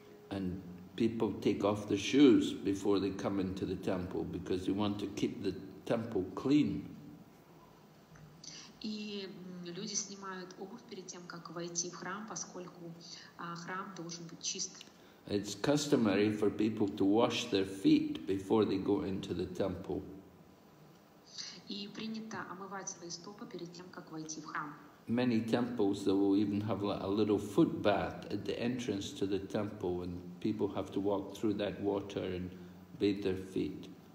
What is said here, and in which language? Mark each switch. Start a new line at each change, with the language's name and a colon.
English: And people take off their shoes before they come into the temple, because they want to keep the temple clean.
Russian: И люди снимают обувь перед тем, как войти в храм, поскольку храм должен быть чист.
English: It's customary for people to wash their feet before they go into the temple.
Russian: И принято омывать свои стопы перед тем, как войти в храм.
English: Many temples they will even have like a little foot bath at the entrance to the temple, and people have to walk through that water and bathe their feet.